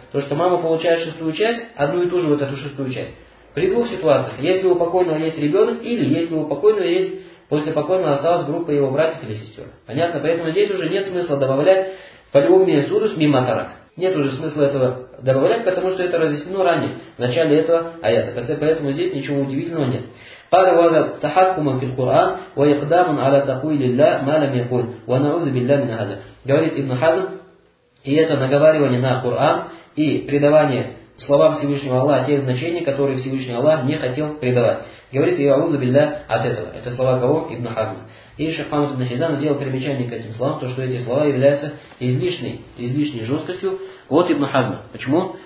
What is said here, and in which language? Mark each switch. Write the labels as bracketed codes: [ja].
[ru] То, что мама получает шестую часть, одну и ту же вот эту шестую часть. При двух ситуациях, если у покойного есть ребенок, или если у покойного есть, после покойного осталась группа его братьев или сестер. Понятно? Поэтому здесь уже нет смысла добавлять [ar] «фалиуми судус мимма тарак». [ru] Нет уже смысла этого добавлять, потому что это разъяснено ранее, в начале этого аята. Поэтому здесь ничего удивительного нет. [ar] قال وهذا تحكما في القرآن وإقداما على تقويل الله ما لم يقل ونعوذ بالله من هذا. [ru] Говорит Ибн Хазм, и это наговаривание на Коран и предавание словам Всевышнего Аллаха тех значений, которые Всевышний Аллах не хотел предавать. Говорит يعوذ بالله от этого. Это слова кого? Ибн Хазма. И шейх Мухаммад ибн Хизам сделал примечание к этим словам, то что эти слова являются излишней жесткостью от Ибн Хазма. Почему?